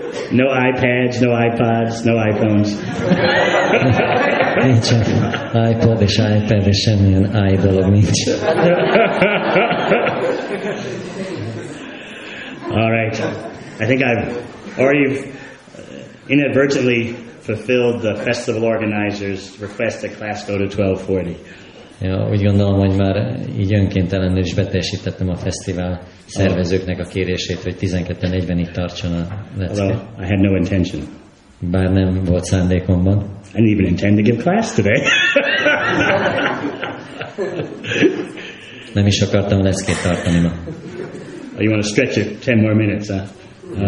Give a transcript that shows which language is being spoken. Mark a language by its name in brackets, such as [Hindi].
[English] No iPads, no iPods, no iPhones. [Hungarian] Nincs iPod és iPad és semmilyen i dolog nincs. [English] All right. I think I've already inadvertently fulfilled the festival organizer's request that class go to 12:40. [Hungarian] Ja, úgy gondolom, hogy már így önkéntelenül is beteljesítettem a fesztivál szervezőknek a kérését, hogy 12:40-ig tartson a lecke. [English] Well, I had no intention. [Hungarian] Bár nem volt szándékomban. [English] I didn't even intend to give class today. [Hungarian] Nem is akartam leckét tartani ma. [English] Oh, you want to stretch it 10 more minutes, huh?